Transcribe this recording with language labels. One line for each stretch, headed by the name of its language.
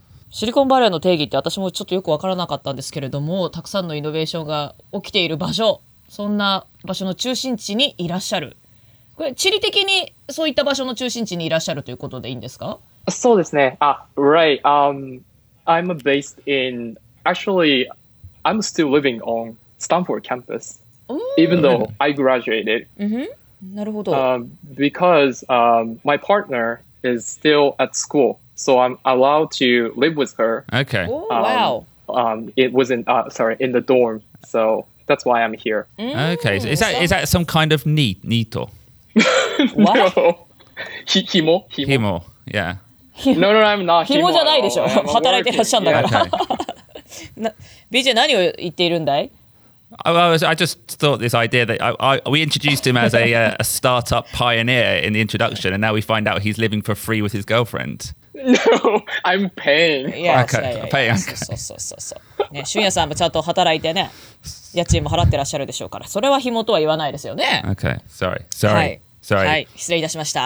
Japanese: Silicon Valley の定義って私もちょっとよくわからなかったんですけれども、たくさんのイノベーションが起きている場所、そんな場所の中心地にいらっしゃる。これ地理的にそういった場所の中心地にいらっしゃるということでいいんですか？そうですね。
English: Right. I'm based in... Actually, I'm still living onStanford campus, even though I graduated.
Japanese: Mm-hmm. なるほど。
English: Because my partner is still at school. So I'm allowed to live with her. Okay. Oh, wow. It was in the dorm. So that's why I'm here. Mm, okay. So is that some kind of nito? What? No. Himo. Yeah. No, I'm not.
Japanese: Himo じゃないでしょ。働いてらっしゃるんだから。BJ, 何を言っているんだい?
English: I just thought this idea that we introduced him as a startup pioneer in the introduction, and now we find out he's living for free with his girlfriend. No, I'm paying. Yes, okay.
Japanese: しゅんやさんもちゃんと働いてね、家賃も払ってらっしゃるでしょうから、それは紐とは言わないですよね。
English: Okay, sorry. Sorry.
Japanese: はい、失礼いたしました。